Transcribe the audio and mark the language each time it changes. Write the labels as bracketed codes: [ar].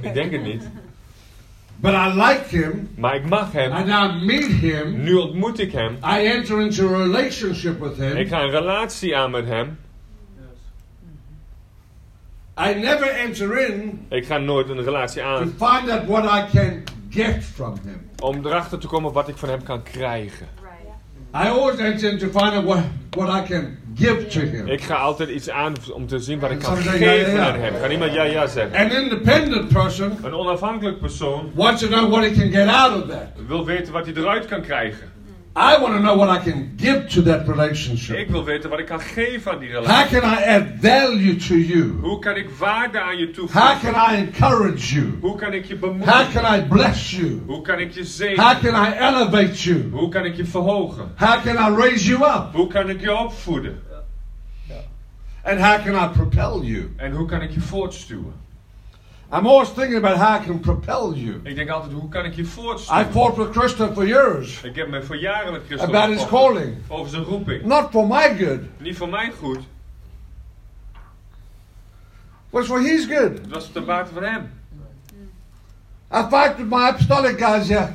[nl] Ik denk het niet. [en] But I like him. [nl] Maar ik mag hem. [en] And I meet him. [nl] Nu ontmoet ik hem. [en] I enter into a relationship with him. [nl] Ik ga een relatie aan met hem. [en] I never enter in. [nl] Ik ga nooit een relatie aan. [en] To find out what I can get from him. [nl] Om erachter te komen wat ik van hem kan krijgen. [en] I always enter in to find out what I can give to him. [nl] Ik ga altijd iets aan om te zien wat ik kan geven aan hem. Kan iemand ja ja zeggen? [en] An independent person. [nl] Een onafhankelijk persoon. [en] Wants to know what he can get out of that. [nl] Wil weten wat hij eruit kan krijgen. [en] I want to know what I can give to that relationship. [nl] Ik wil weten wat ik kan geven aan die relatie. [en] How can I add value to you? [nl] Hoe kan ik waarde aan je toevoegen? [en] How can I encourage you? [nl] Hoe kan ik je bemoedigen? [en] How can I bless you? [nl] Hoe kan ik je zegenen? [en] How can I elevate you? [nl] Hoe kan ik je verhogen? [en] How can I raise you up? [nl] Hoe kan ik je opvoeden? [en] And how can I propel you? [nl] En hoe kan ik je voortstuwen? [en] I'm always thinking about how I can propel you. [nl] Ik denk altijd, hoe kan ik je voortstuwen? [en] I fought with Christopher for years. [nl] Ik heb me voor jaren met Christopher [en] about his calling. [nl] Over zijn roeping. [en] Not for my good. [nl] Niet voor mijn goed. [en] Was for his good. [nl] Het was ten bate van hem. [en] I fight with my apostolic guys, yeah.